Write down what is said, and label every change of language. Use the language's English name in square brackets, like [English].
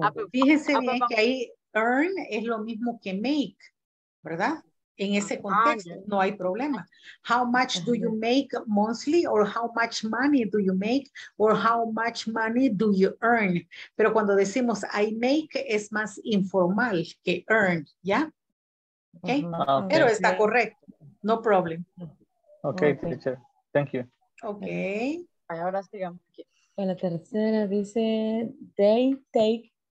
[Spanish] Fíjense bien que ahí earn es lo mismo que make, ¿verdad? En ese contexto no hay problema. [English] How much do you make monthly, or how much money do you make, or how much money do you earn? [Spanish] Pero cuando decimos I make es más informal que earn, ¿ya? Okay. Pero está correcto. [English] No problem. Okay, teacher. Thank you. Okay. [Spanish] Ahora sigamos aquí. La tercera dice, they take.